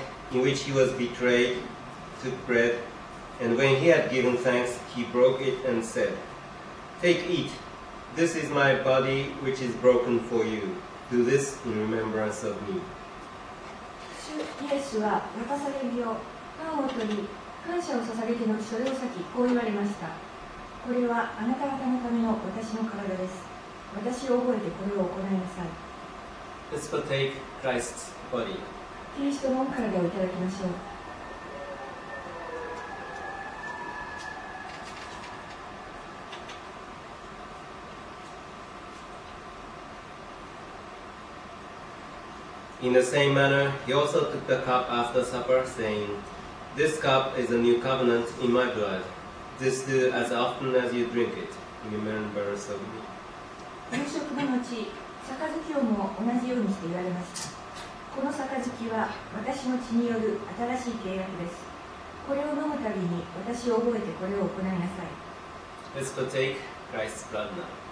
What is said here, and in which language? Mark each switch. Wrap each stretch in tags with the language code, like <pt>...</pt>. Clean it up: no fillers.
<en>He was betrayed, took bread, and when he had given thanks, he broke it and said, Take, eat. This is my body, which is broken for you. Do this in remembrance of me.</en> <ja>主イエスは渡される身をパンを取り、感謝を捧げてのそれを先こう言われました。これはあなた方のための私の体です。私を覚えてこれを行いなさい。</ja> <en>Let's partake Christ's body.</en> <ja>キリストの御体をいただきましょう。</ja> <en>In the same manner, he also took the cup after supper, saying, This cup is a new covenant in my blood. This do as often as you drink it, in remembrance of me.</en> <ja>夕食の後、杯を も同じようにして言われました。この杯は私の血による新しい契約です。これを飲むたびに私を覚えてこれを行いなさい。</ja> <en>Let's partake Christ's blood now.</en>